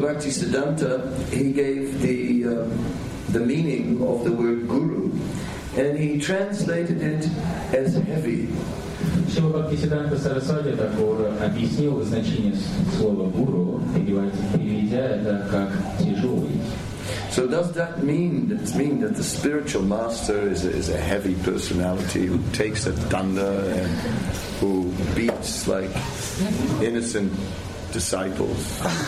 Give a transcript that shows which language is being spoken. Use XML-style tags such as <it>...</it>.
<en>Bhaktisiddhanta, he gave the meaning of the word guru, and he translated it as heavy.</en> <ru>Śrīla Bhaktisiddhanta Sarasvati Thakur объяснил значение слова гуру, переведя это как тяжелый.</ru> <en>So does that mean that the spiritual master is a heavy personality who takes a thunder and who beats like innocent disciples?</en>